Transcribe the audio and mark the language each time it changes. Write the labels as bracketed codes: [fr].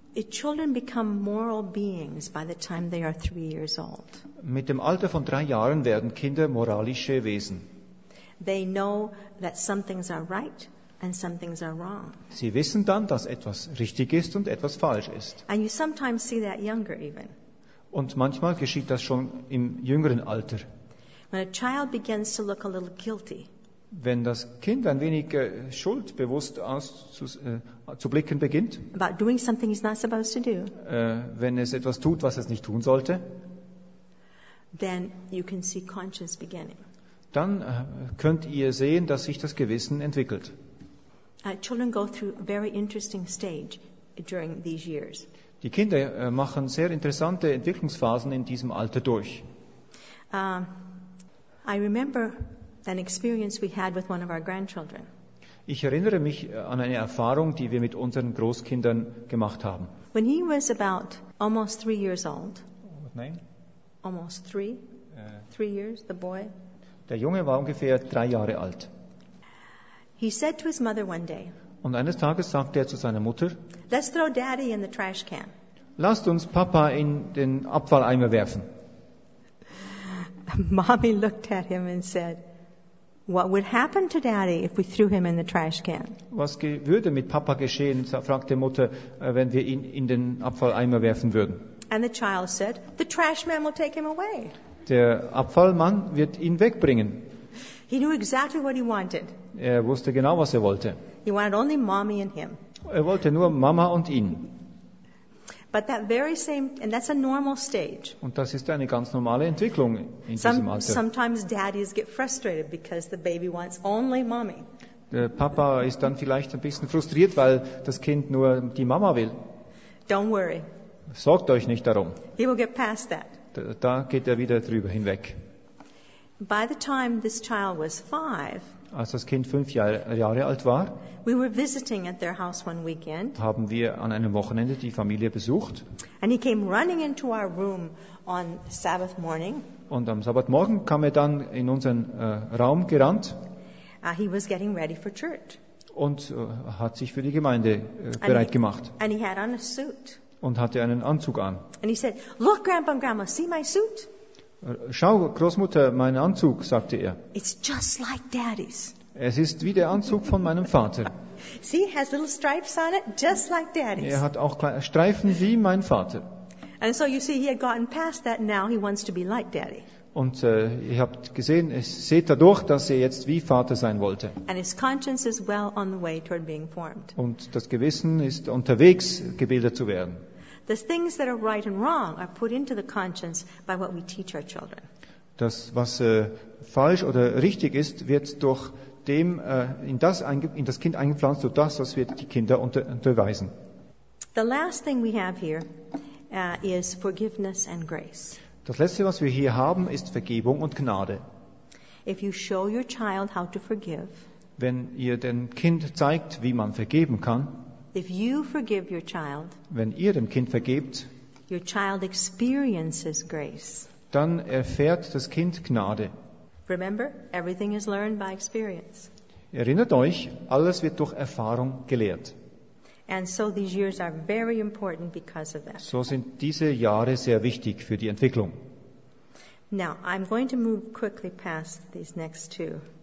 [en] Children become moral beings by the time they are 3 years old. [de] Mit dem Alter von 3 Jahren werden Kinder moralische Wesen. [en] They know that some things are right and some things are wrong. [de] Sie wissen dann, dass etwas richtig ist und etwas falsch ist. [en] And you sometimes see that younger even. [de] Und manchmal geschieht das schon im jüngeren Alter. [en] When a child begins to look a little guilty, [de] wenn das Kind ein wenig schuldbewusst zu blicken beginnt, [en] about doing something he's not supposed to do, [de] wenn es etwas tut, was es nicht tun sollte, [en] then you can see conscience beginning. [de] Dann könnt ihr sehen, dass sich das Gewissen entwickelt. [en] Children go through a very interesting stage during these years. [de] Die Kinder machen sehr interessante Entwicklungsphasen in diesem Alter durch. [en] I remember an experience we had with one of our grandchildren. [de] Ich erinnere mich an eine Erfahrung, die wir mit unseren Großkindern gemacht haben. [en] When he was about almost 3 years old. [de] Nein. [en] Almost three. 3 years, the boy. [de] Der Junge war ungefähr 3 Jahre alt. [en] He said to his mother one day. [de] Und eines Tages sagte er zu seiner Mutter. [en] Let's throw Daddy in the trash can. [de] Lasst uns Papa in den Abfalleimer werfen. [en] Mommy looked at him and said, "What would happen to Daddy if we threw him in the trash can?" [de] Was würde mit Papa geschehen? Fragte Mutter, wenn wir ihn in den Abfalleimer werfen würden. [en] And the child said, "The trash man will take him away." [de] Der Abfallmann wird ihn wegbringen. [en] He knew exactly what he wanted. [de] Er wusste genau, was er wollte. [en] He wanted only Mommy and him. [de] Er wollte nur Mama und ihn. [en] But that very same, and that's a normal stage. [de] Und das ist eine ganz normale Entwicklung in diesem Alter. [en] Sometimes daddies get frustrated because the baby wants only mommy. [de] Der Papa ist dann vielleicht ein bisschen frustriert, weil das Kind nur die Mama will. [en] Don't worry. [de] Sorgt euch nicht darum. [en] He will get past that. [de] Da geht er wieder drüber hinweg. [en] By the time this child was 5. [de] Als das Kind 5 Jahre alt war, [en] we were visiting at their house one weekend, [de] haben wir an einem Wochenende die Familie besucht. [en] And he came running into our room on Sabbath morning. [de] Und am Sabbatmorgen kam er dann in unseren Raum gerannt. [en] He was getting ready for church. [de] Und hat sich für die Gemeinde bereit gemacht. [en] And he had on a suit. [de] Und hatte einen Anzug an. [en] And he said, "Look, Grandpa and Grandma, see my suit?" [de] Schau, Großmutter, mein Anzug, sagte er. [en] It's just like Daddy's. [de] Es ist wie der Anzug von meinem Vater. [en] See, it has little stripes on it, just like Daddy's. [de] Er hat auch Streifen wie mein Vater. [en] And so you see, he had gotten past that, now he wants to be like Daddy. [de] Und ihr habt gesehen, es seht dadurch, dass er jetzt wie Vater sein wollte. [en] And his conscience is well on the way toward being formed. [de] Und das Gewissen ist unterwegs, gebildet zu werden. [en] The things that are right and wrong are put into the conscience by what we teach our children. [de] Das, was falsch oder richtig ist, wird durch dem in das Kind eingepflanzt, durch das, was wir die Kinder unterweisen. [en] The last thing we have here is forgiveness and grace. [de] Das letzte, was wir hier haben, ist Vergebung und Gnade. [en] If you show your child how to forgive, [de] wenn ihr dem Kind zeigt, wie man vergeben kann. [en] If you forgive your child, [de] wenn ihr dem Kind vergebt, [en] your child experiences grace. [de] Dann erfährt das Kind Gnade. [en] Remember, everything is learned by experience. [de] Erinnert euch, alles wird durch Erfahrung gelehrt. [en] And so these years are very important because of that. [de] So sind diese Jahre sehr wichtig für die Entwicklung. [en] Now, I'm going to move quickly past these next two.